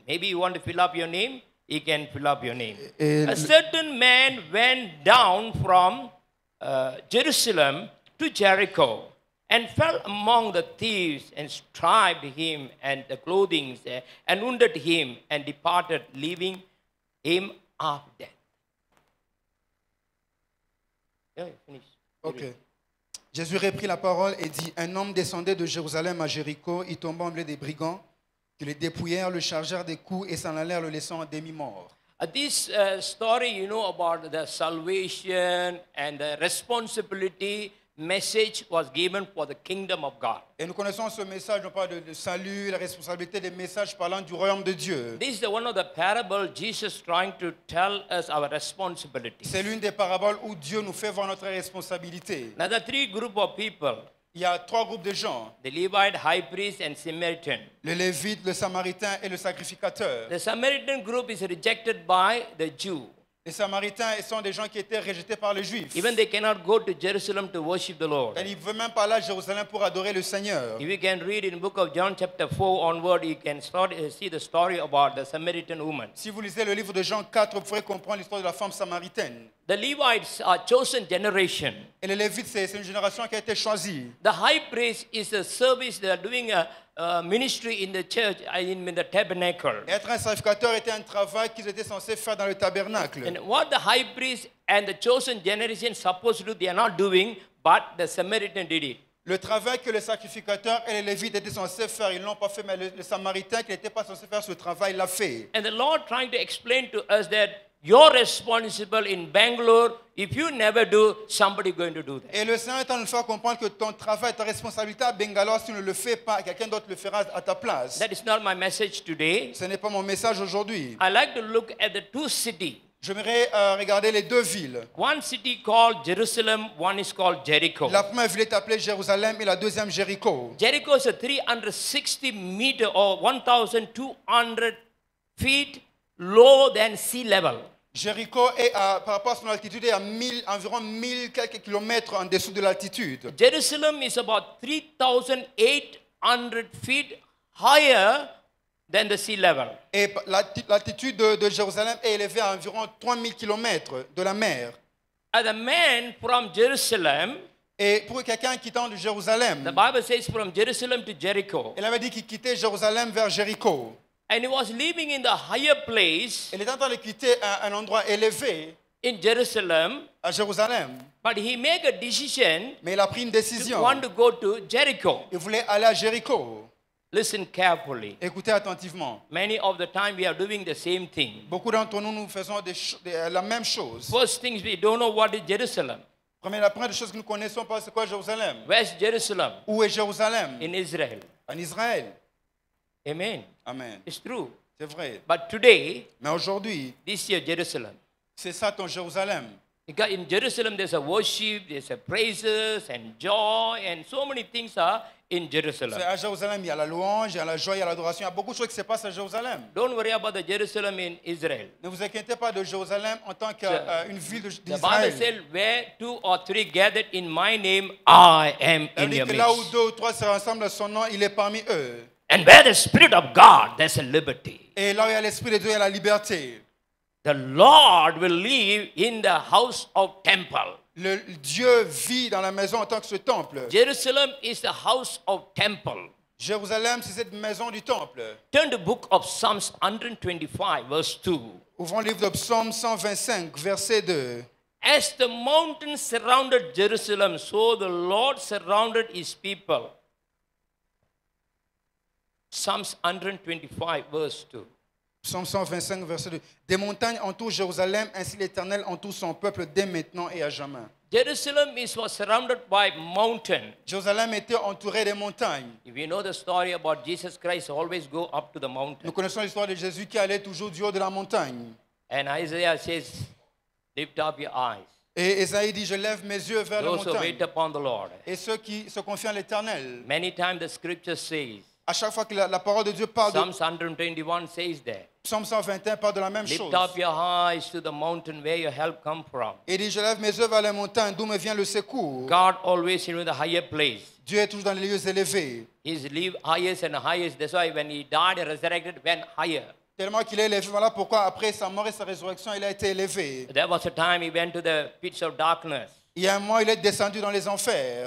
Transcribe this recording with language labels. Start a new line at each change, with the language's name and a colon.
English: Maybe you want to fill up your name? He can fill up your name. A certain man went down from Jerusalem to Jericho and fell among the thieves and stripped him and the clothing and wounded him and departed, leaving him half dead. Okay.
French: Jésus reprit la parole et dit, un homme descendait de Jérusalem à Jéricho, il tomba au milieu des brigands qui le dépouillèrent, le chargèrent des coups et s'en allèrent le laissant à demi-mort.
English: This story, you know, about the salvation and the responsibility message was given for the kingdom of God.
French: Et nous connaissons ce message, on parle de salut, la responsabilité des messages parlant du royaume de Dieu.
English: This is the one of the parables Jesus trying to tell us our responsibility.
French: C'est l'une des paraboles où Dieu nous fait voir notre responsabilité.
English: Now the three groups of people.
French: Il y a trois groupes de gens.
English: The Levite, high priest, and Samaritan.
French: Le Lévite, le Samaritain et le sacrificateur.
English: The Samaritan group is rejected by the Jew.
French: Les Samaritains sont des gens qui étaient rejetés par les Juifs.
English: Even they cannot go to Jerusalem to worship the Lord.
French: Et ils ne veulent même pas aller à Jérusalem pour adorer le Seigneur.
English: If you can read in the book of John chapter 4 onward, you can start see the story about the Samaritan woman.
French: Si vous lisez le livre de Jean 4, vous pourrez comprendre l'histoire de la femme samaritaine.
English: The Levites are chosen generation.
French: Et les Lévites, c'est une génération qui a été choisie.
English: The high priest is a service they are doing ministry in the church, in the tabernacle.
French: Être un sacrificateur était un travail qu'ils étaient censés faire dans le tabernacle.
English: And what the high priest and the chosen generation supposed to do, they are not doing, but the Samaritan did it.
French: Le travail que les sacrificateurs et les Lévites étaient censés faire, ils ne l'ont pas fait, mais le Samaritain qui n'était pas censé faire ce travail l'a fait.
English: And the Lord trying to explain to us that you're responsible in Bangalore. If you never do, somebody going to do that.
French: Et le Seigneur est en train de faire comprendre que ton travail, ta responsabilité à Bangalore, si tu ne le fais pas, quelqu'un d'autre le fera à ta place.
English: That is not my message today.
French: Ce n'est pas mon message aujourd'hui.
English: I like to look at the two cities.
French: J'aimerais regarder les deux villes.
English: One city called Jerusalem, one is called Jericho.
French: La première ville est appelée Jérusalem et la deuxième Jéricho.
English: Jericho is a 360 meter or 1,200 feet. Low than sea level.
French: Jéricho est à par rapport à son altitude est à 1000 environ 1000 quelques kilomètres en dessous de l'altitude.
English: Jerusalem is about 3,800 feet higher than the sea level.
French: Et l'altitude de Jérusalem est élevée à environ 3000 kilomètres de la mer.
English: And a man from Jerusalem.
French: Et pour quelqu'un quittant de Jérusalem.
English: The Bible says from Jerusalem to Jericho.
French: Il avait dit qu'il quittait Jérusalem vers Jéricho.
English: And he was living in the higher place.
French: Il était en train de quitter un endroit élevé.
English: In Jerusalem.
French: À Jérusalem.
English: But he made a decision.
French: Mais il a pris une décision.
English: To want to go to Jericho.
French: Il voulait aller à Jéricho.
English: Listen carefully.
French: Écoutez attentivement.
English: Many of the time we are doing the same thing.
French: Beaucoup d'entre nous nous faisons la même chose.
English: First things we don't know what is Jerusalem.
French: La première chose que nous connaissons pas c'est quoi Jérusalem.
English: Where's Jerusalem?
French: Où est Jérusalem?
English: In Israel.
French: En Israël.
English: Amen.
French: Amen.
English: It's true.
French: C'est vrai.
English: But today.
French: Mais aujourd'hui.
English: This is Jerusalem.
French: C'est ça ton Jérusalem.
English: Because in Jerusalem there's a worship, there's a praises and joy and so many things are. In Jerusalem.
French: C'est à Jérusalem, il y a la louange, il y a la joie, il y a l'adoration. Il y a beaucoup de choses qui se passent à Jérusalem.
English: Don't worry about the Jerusalem in Israel.
French: Ne vous inquiétez pas de Jérusalem en tant que une ville d'Israël.
English: The Bible says, "Where two or three gathered in my name, I am in your midst."
French: Là où deux ou trois sont ensemble, son nom, il est parmi eux.
English: And where the Spirit of God, there's a liberty.
French: Et là où il y a l'Esprit de Dieu, il y a la liberté.
English: The Lord will live in the house of temple.
French: Le Dieu vit dans la maison en tant que ce temple.
English: Jerusalem is the house of temple.
French: Jérusalem, c'est cette maison du temple.
English: Turn the book of Psalms 125, verse 2.
French: Ouvrons le livre de Psaume 125, verset 2.
English: As the mountain surrounded Jerusalem, so the Lord surrounded his people. Psaums 125, verse 2.
French: Psaume 125, verset 2. Des montagnes entourent Jérusalem, ainsi l'Éternel entoure son peuple dès maintenant et à jamais.
English: Jerusalem was surrounded by mountains.
French: Jérusalem était entouré des montagnes.
English: If you know the story about Jesus Christ, always go up to the mountain.
French: Nous connaissons l'histoire de Jésus qui allait toujours du haut de la montagne.
English: And Isaiah says, lift up your eyes.
French: Et Isaïe dit, je lève mes yeux vers
English: those
French: la montagne.
English: Wait upon the Lord.
French: Et ceux qui se confient en l'Éternel.
English: Many times the scripture says,
French: à chaque fois que la parole de Dieu parle de
English: Psalms 121 says that.
French: Psalm 121 parle de la même
English: lift
French: chose.
English: Lift up your eyes to the mountain where your help comes from.
French: Il dit, je lève mes yeux vers les montagnes d'où me vient le secours.
English: God always in the higher place.
French: Dieu est toujours dans les lieux élevés.
English: He's live highest and highest. That's why when he died and resurrected, went higher.
French: Tellement qu'il est élevé. Voilà pourquoi après sa mort et sa résurrection, il a été élevé.
English: There was a time he went to the pits of darkness.
French: Il y a un moment, il est descendu dans les enfers.